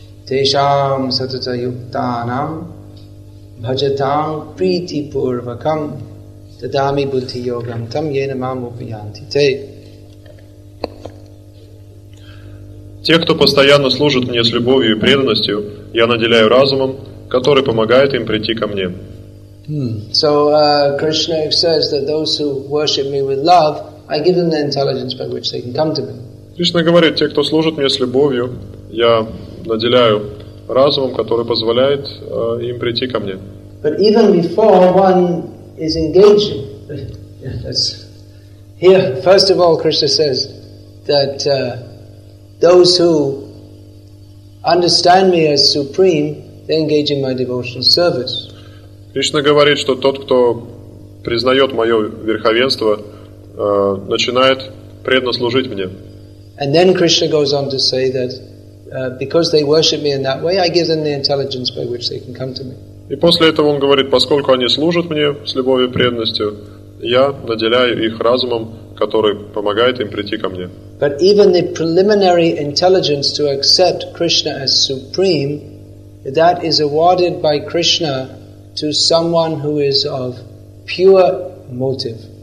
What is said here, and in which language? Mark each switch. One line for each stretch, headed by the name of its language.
Sanskrit: Tesham satata yuktanam bhajatam priti purvakam tadami bhuti yogam tam yena mam upayanti te.
Russian: Те, кто постоянно служит мне с любовью и преданностью, я наделяю разумом, который помогает им прийти ко мне.
English: So Krishna says that those who worship me with love, I give them the intelligence by which they can come to me.
Russian: Кришна говорит, те, кто служит мне с любовью, я наделяю разумом, который позволяет им прийти ко мне.
English: But even before one is engaged, that's here. First of all, Krishna says that those who understand me as supreme, they engage in my devotional service.
Russian: Кришна говорит, что тот, кто признает мое верховенство, начинает преданно служить мне.
English: And then Krishna goes on to say that because they worship me in that way, I give them the intelligence by which they can come to me.
Russian: И после этого он говорит, поскольку они служат мне с любовью и преданностью, я наделяю их разумом, который помогает им прийти ко мне.
English: But even the preliminary intelligence to accept Krishna as supreme, that is awarded by Krishna to someone who is of pure motive.